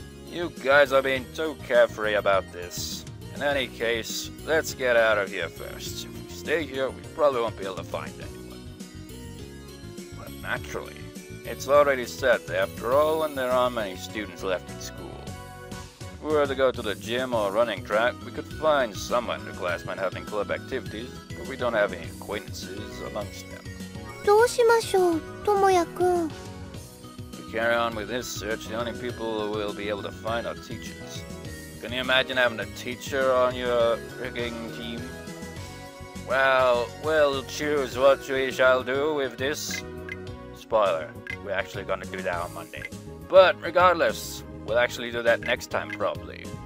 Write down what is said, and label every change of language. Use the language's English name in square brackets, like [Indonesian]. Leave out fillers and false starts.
[English] You guys are being too carefree about this. In any case, let's get out of here first. If we stay here, we probably won't be able to find anyone. But now Naturally. It's already set. After all, and there aren't many students left in school. If we were to go to the gym or running track, we could find some underclassmen having club activities, but we don't have any acquaintances amongst them. [Japanese] どうしましょう、ともや君。 [English] To carry on with this search, the only people who will be able to find are teachers. Can you imagine having a teacher on your rigging team? Well, we'll choose what we shall do with this. Spoiler, we're actually going to do that on Monday. But regardless, we'll actually do that next time probably.